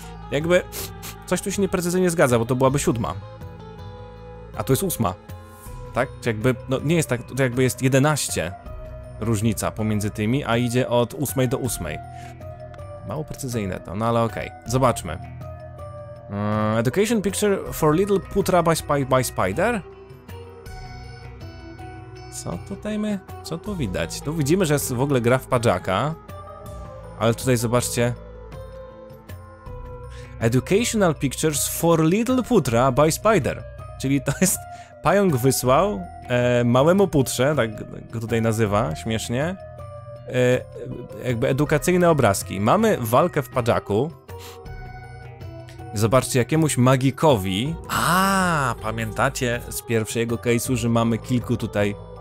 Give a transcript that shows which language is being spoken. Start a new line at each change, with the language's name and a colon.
Polish: Jakby coś tu się nieprecyzyjnie zgadza, bo to byłaby 7. A tu jest 8. Tak? Czy jakby, no nie jest tak, to jakby jest 11 różnica pomiędzy tymi, a idzie od 8 do 8. Mało precyzyjne to, no ale okej. Okay. Zobaczmy.
English: Education picture for little Putra by Spider?
Polish: Co tutaj my... Co tu widać? Tu widzimy, że jest w ogóle gra w padżaka. Ale tutaj zobaczcie.
English: Educational pictures for little Putra by Spider.
Polish: Czyli to jest... Pająk wysłał małemu Putrze, tak go tutaj nazywa, śmiesznie. Jakby edukacyjne obrazki. Mamy walkę w padżaku. Zobaczcie, jakiemuś magikowi. Pamiętacie z pierwszego case'u, że mamy kilku tutaj...